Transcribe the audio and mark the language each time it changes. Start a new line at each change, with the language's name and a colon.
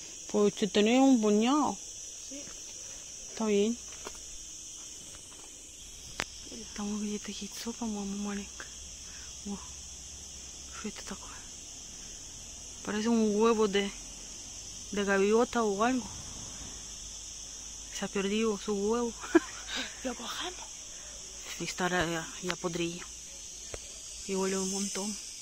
Spanish: Pues usted tiene un puñado. Sí. Está bien.
Russian: Там где-то яйцо, по-моему, маленькое. О, что это такое?
Spanish: Parece un huevo de gaviota o algo. Se ha perdido su huevo. Lo cogemos. Y estará ya podrido. Y huele un montón.